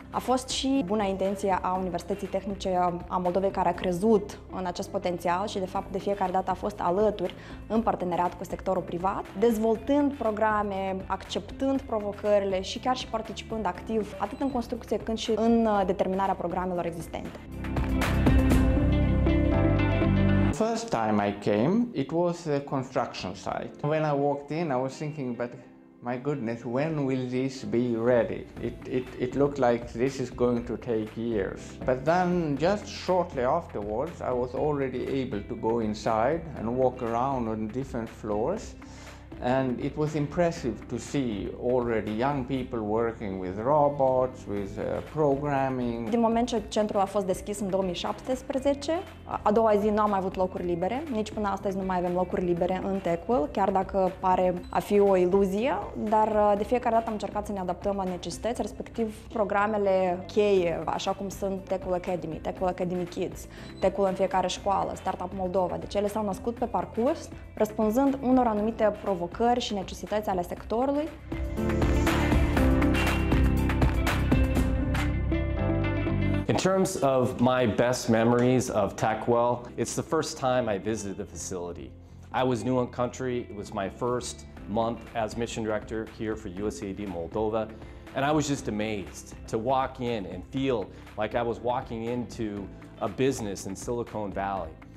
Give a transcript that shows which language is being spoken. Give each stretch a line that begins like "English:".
Romanian: A fost și buna intenție a Universității Tehnice a Moldovei, care a crezut în acest potențial și de fapt de fiecare dată a fost alături în parteneriat cu sectorul privat, dezvoltând programe, acceptând provocările și chiar și participând activ atât în construcție cât și în determinarea programelor existente.
English: The first time I came, it was a construction site. When I walked in, I was thinking, but my goodness, when will this be ready? It looked like this is going to take years. But then, just shortly afterwards, I was already able to go inside and walk around on different floors. And it was impressive to see already young people working with robots, with programming.
Romanian: Din moment ce centrul a fost deschis în 2017, a doua zi nu am mai avut locuri libere, nici până astăzi nu mai avem locuri libere în Tech-ul, chiar dacă pare a fi o iluzie, dar de fiecare dată am încercat să ne adaptăm la necesități, respectiv programele cheie, așa cum sunt Tech-ul Academy, Tech-ul Academy Kids, Tech-ul în fiecare școală, Startup Moldova, deci ele s-au născut pe parcurs, răspunzând unor anumite provocări și necesități ale sectorului.
English: In terms of my best memories of Techwell, it's the first time I visited the facility. I was new in country, it was my first month as mission director here for USAID Moldova, and I was just amazed to walk in and feel like I was walking into a business in Silicon Valley.